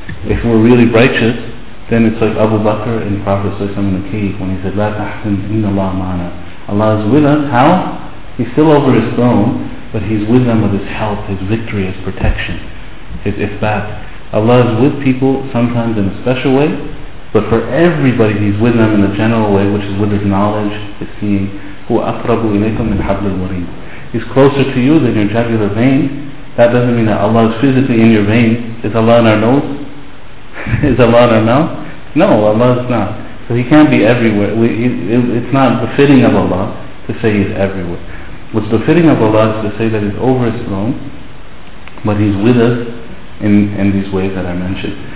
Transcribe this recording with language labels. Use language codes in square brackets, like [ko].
[en] If we're really righteous, then it's like Abu Bakr in Prophet ﷺ in the cave when he said, [ar] La tahzan inna Allah ma'ana. [en] Allah is with us. How? He's still over His throne, but He's with them with His help, His victory, His protection, His ifbat. Allah is with people sometimes in a special way, but for everybody He's with them in a general way, which is with His knowledge, His seeing. Who [ar] أَقْرَبُ إِلَيْكُمْ مِنْ حَبْلِ الْوَرِيدِ. [en] He's closer to you than your jugular vein. That doesn't mean that Allah is physically in your vein. Is Allah in our nose? Is Allah in our mouth? No, Allah is not. So He can't be everywhere. It's not befitting of Allah to say He's everywhere. What's befitting of Allah is to say that He's over His throne, but He's with us in these ways that I mentioned.